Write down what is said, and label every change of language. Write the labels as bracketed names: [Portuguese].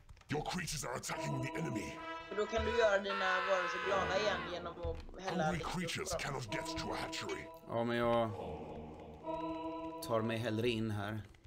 [English] Your creatures are attacking the enemy. [Swedish] Då kan du göra dina varelser glada igen genom att hälla [English] hungry creatures cannot get to a hatchery. [Swedish] Ja, men jag tar mig hellre in här.